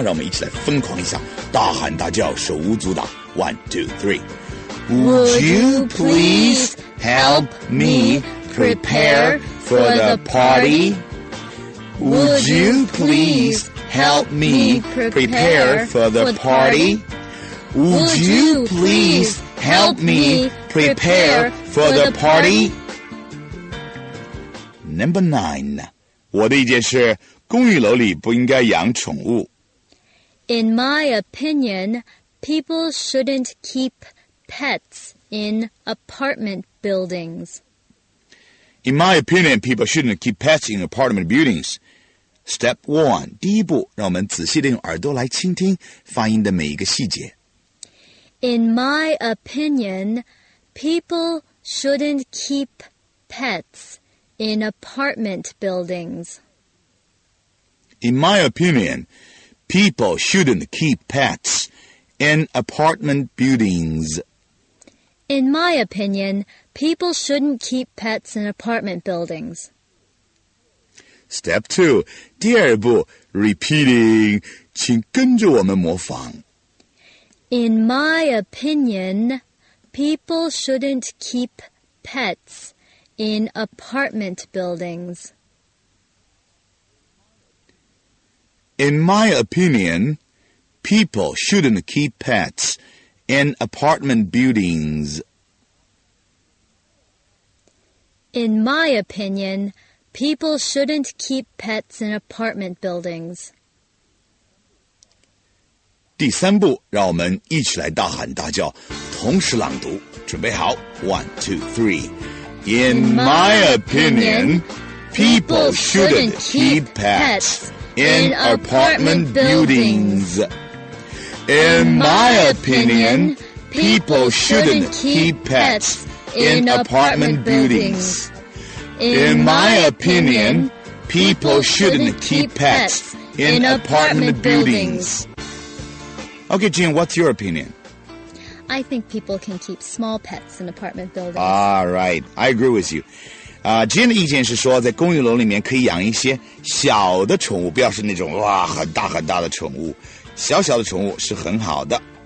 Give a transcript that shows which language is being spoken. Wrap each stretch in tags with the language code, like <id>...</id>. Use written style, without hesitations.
<zh>让我们一起来疯狂一下，大喊大叫，手舞足蹈。</zh> <en>One, two, three. Would you please help me prepare for the party? Would you please help me prepare for the party? Would you please help me prepare for the party? Number 9,</en> <zh>我的意见是公寓楼里不应该养宠物。</zh> <en>In my opinion, people shouldn't keep pets in apartment buildings. In my opinion, people shouldn't keep pets in apartment buildings. Step 1,</en> <zh>第一步，让我们仔细地用耳朵来倾听发音的每一个细节。</zh> <en>In my opinion, people shouldn't keep pets in apartment buildings. In my opinion, people shouldn't keep pets in apartment buildings. In my opinion, people shouldn't keep pets in apartment buildings. Step 2,</en> <zh>第二步</zh> <en>repeating,</en> <zh>请跟着我们模仿。</zh> <en>In my opinion, people shouldn't keep pets in apartment buildings. In my opinion, people shouldn't keep pets in apartment buildings. In my opinion, people shouldn't keep pets in apartment buildings.</en> <zh>第三步，让我们一起来大喊大叫，同时朗读。准备好</zh> <en>，one, two, three. In my opinion, people shouldn't keep pets in apartment buildings. In my opinion, people shouldn't keep pets in apartment buildings. In my opinion, people shouldn't keep pets in apartment buildings. Okay, Jean, what's your opinion? I think people can keep small pets in apartment buildings. All right, I agree with you.</en> <zh>Jean 的意见是说，在公寓楼里面可以养一些小的宠物，不要是那种哇很大很大的宠物，小小的宠物是很好的。</zh>